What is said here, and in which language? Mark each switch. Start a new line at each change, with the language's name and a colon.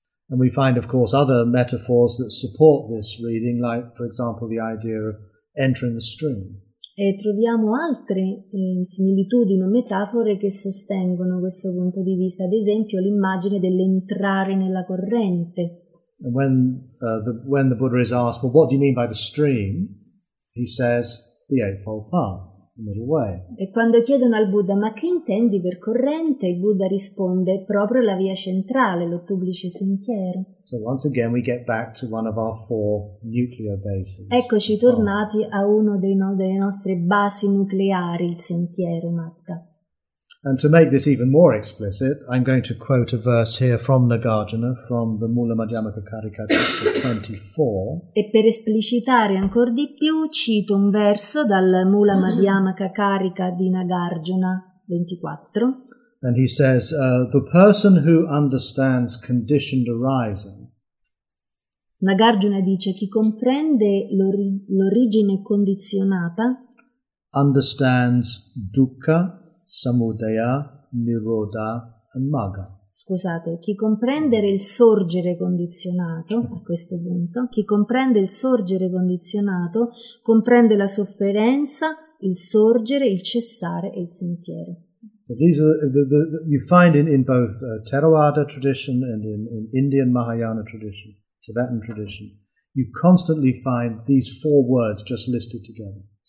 English: And we find, of course, other metaphors that support this reading, like, for example, the idea of entering the stream.
Italian: E troviamo altre similitudini o metafore che sostengono questo punto di vista, ad esempio l'immagine dell'entrare nella corrente.
English: And when the Buddha is asked, well, what do you mean by the stream? He says, the Eightfold Path, the middle way.
Italian: E quando chiedono al Buddha, ma che intendi per corrente? Il Buddha risponde, proprio la via centrale, l'ottuplice sentiero.
English: So once again we get back to one of our four nuclear bases.
Italian: Eccoci tornati a uno dei delle nostre basi nucleari, il sentiero, Matta.
English: And to make this even more explicit, I'm going to quote a verse here from Nagarjuna, from the Mula Madhyamaka Karika, chapter 24.
Italian: E per esplicitare ancor di più, cito un verso dal Mula Madhyamaka Karika di Nagarjuna, 24.
English: And he says, the person who understands conditioned arising.
Italian: Nagarjuna dice, chi comprende l'origine condizionata.
English: Understands dukkha. Samudaya, Niroda e Magga.
Italian: Scusate, chi comprende il sorgere condizionato, a questo punto, chi comprende il sorgere condizionato, comprende la sofferenza, il sorgere, il cessare e il sentiero.
English: These are you find in both Theravada tradition and in Indian Mahayana tradition, Tibetan tradition, you constantly find these four words just listed together.